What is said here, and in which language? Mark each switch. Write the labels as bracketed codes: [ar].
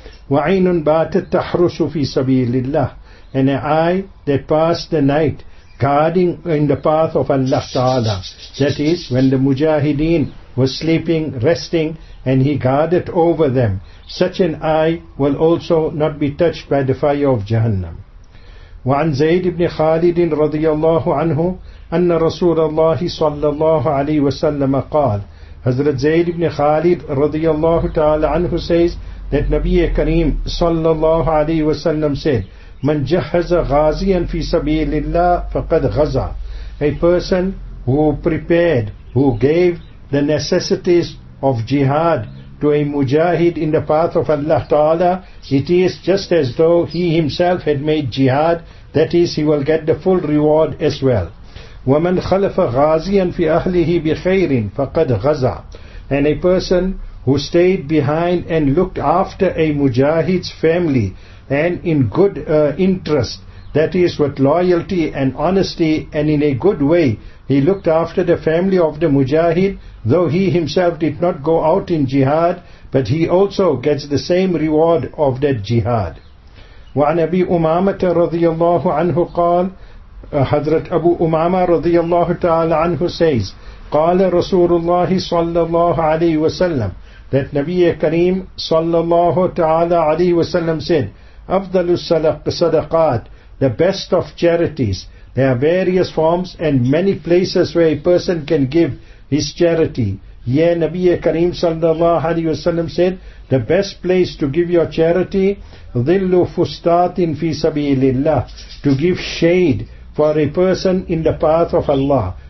[ar] وَعَيْنٌ بَاتَتْ تَحْرُسُ فِي سَبِيلِ اللَّهِ, [en] and an eye that passed the night guarding in the path of Allah Ta'ala, that is when the Mujahideen was sleeping, resting, and he guarded over them, such an eye will also not be touched by the fire of Jahannam. [ar] وعن زيد بن خالد رضي الله عنه أن رسول الله صلى الله عليه وسلم قال, حضرت زيد بن خالد رضي الله تعالى عنه [en] says that [ar] نبي كريم صلى الله عليه وسلم [en] said, [ar] من جهز غازيا في سبيل الله فقد غزا. [en] A person who prepared, who gave the necessities of jihad to a mujahid in the path of Allah Ta'ala, it is just as though he himself had made jihad, that is, he will get the full reward as well. [ar] وَمَنْ خَلَفَ غَازِيًا فِي أَهْلِهِ بِخَيْرٍ فَقَدْ غَزَى. [en] And a person who stayed behind and looked after a mujahid's family and in good interest, that is, with loyalty and honesty and in a good way, he looked after the family of the mujahid, though he himself did not go out in jihad, but he also gets the same reward of that jihad. [ar] وعن أبي أمامة رضي الله عنه قال, حضرت أبو أمامة رضي الله تعالى عنه [en] says, [ar] قال رسول الله صلى الله عليه وسلم, [en] that [ar] نبي كريم صلى الله تعالى عليه وسلم [en] said, [ar] أفضل الصدقات, [en] the best of charities. There are various forms and many places where a person can give his charity. Yeah, Nabi Kareem sallallahu alayhi wa sallam said, the best place to give your charity, [ar] ظِلُّ فُسْتَاتٍ فِي سَبِيلِ اللَّهِ, [en] to give shade for a person in the path of Allah.